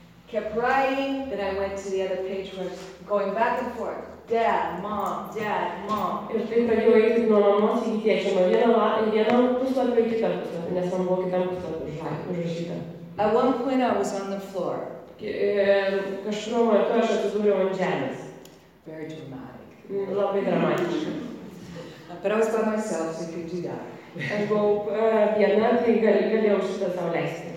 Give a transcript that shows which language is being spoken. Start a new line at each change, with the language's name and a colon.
English: Kept writing, then I went to the other page where going back and forth. Dad, mom.
Lithuanian: Ir taip pradėjau eiti nuo mamos iki tėčio. Vieną puslapį, kitą puslapį, nes man buvo kitą puslapį užrašyta.
English: At one point I was on the floor.
Lithuanian: Kažkuriuo metu aš atsidūriau ant žemės.
English: Very dramatic.
Lithuanian: Labai dramatiška.
English: But I was by myself, so I could do that.
Lithuanian: Aš buvau viena, tai galėjau šitą savo leisti.